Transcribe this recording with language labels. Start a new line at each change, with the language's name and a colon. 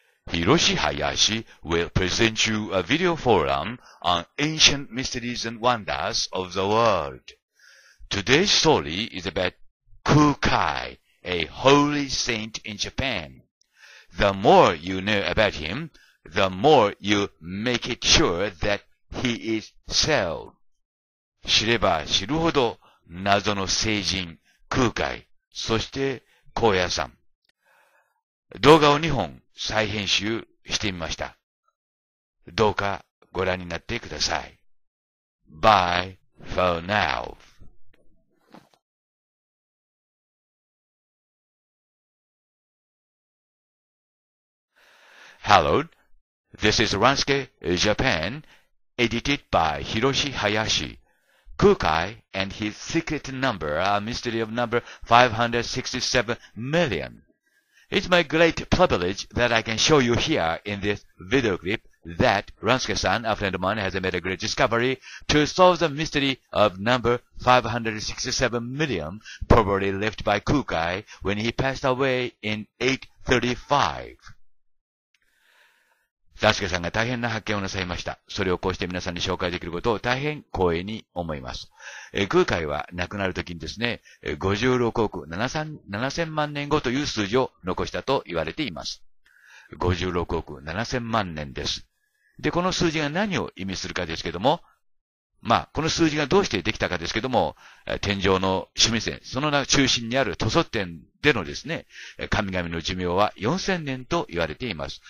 English: Hiroshi Hayashi will present you a video forum on ancient mysteries and wonders of the world. Today's story is about Kukai, a holy saint in Japan. The more you know about him, the more you make it sure that he is saved.
Japanese: 知れば知るほど謎の聖人、空海、そして高野山。動画を2本。再編集してみました。どうかご覧になってください。
English: Bye for now. Hello, this is Ransuke Japan, edited by Hiroshi Hayashi. Kukai and his secret number are a mystery of number 567 million. It's my great privilege that I can show you here in this video clip that Ransuke-san, a friend of mine, has made a great discovery to solve the mystery of number 567 million probably left by Kukai when he passed away in 835.
Japanese: Ransuke-san が大変な発見をなさいました。それをこうして皆さんに紹介できることを大変光栄に思います。空海は亡くなるときにですね、56億7000万年後という数字を残したと言われています。 56億7000万年です。で、この数字が何を意味するかですけども、まあ、この数字がどうしてできたかですけども、天上の趣味線、その中心にある塗装点でのですね、神々の寿命は4000年と言われています。